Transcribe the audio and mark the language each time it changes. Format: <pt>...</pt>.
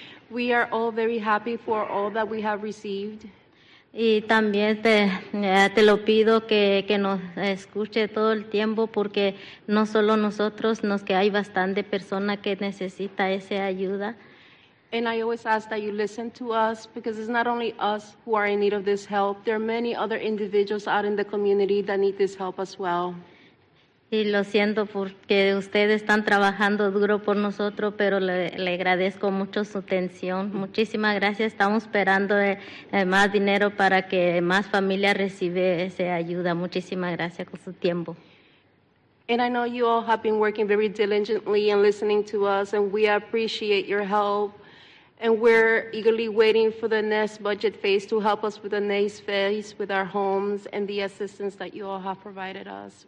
<en>We are all very happy for all that we have received.</en> <es>Y también te lo pido que nos escuche todo el tiempo porque no solo nosotros, nos que hay bastante persona que necesita esa ayuda.</es> <en>And I always ask that you listen to us because it's not only us who are in need of this help. There are many other individuals out in the community that need this help as well.</en> <es>Y lo siento porque ustedes están trabajando duro por nosotros, pero le agradezco mucho su atención. Muchísimas gracias. Estamos esperando más dinero para que más familias reciban esa ayuda. Muchísimas gracias por su tiempo.</es> <en>And I know you all have been working very diligently and listening to us, and we appreciate your help. And we're eagerly waiting for the next budget phase to help us with the next phase with our homes and the assistance that you all have provided us.</en>